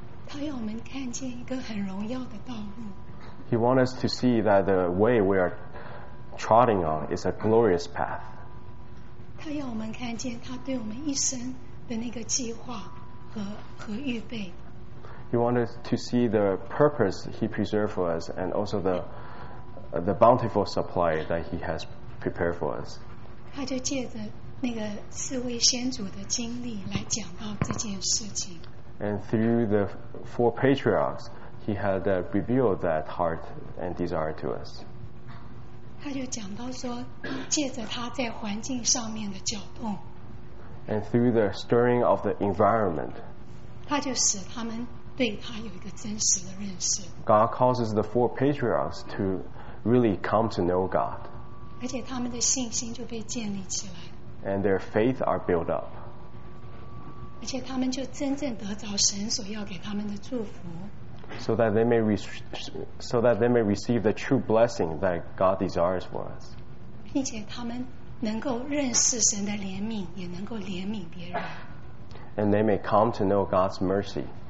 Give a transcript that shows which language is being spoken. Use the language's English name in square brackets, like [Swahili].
[English] He wants us to see that the way we are trotting on is a glorious path. He wants us to see that the way we are trotting on is a glorious path. He wanted to see the purpose he preserved for us and also the bountiful supply that he has prepared for us. [Chinese] 他就借着那个四位先祖的经历来讲到这件事情。 [English] And through the four patriarchs, he had revealed that heart and desire to us. [Chinese] 他就讲到说借着他在环境上面的搅动。 [English] And through the stirring of the environment, [Chinese] 他就使他们对他有一个真实的认识。 [English] God causes the four patriarchs to really come to know God. [Chinese] 而且他们的信心就被建立起来。 [English] And their faith are built up. [Chinese] 而且他们就真正得着神所要给他们的祝福。 [English] So that they may receive the true blessing that God desires for us. [Chinese] 并且他们能够认识神的怜悯，也能够怜悯别人。 [English] And they may come to know God's mercy.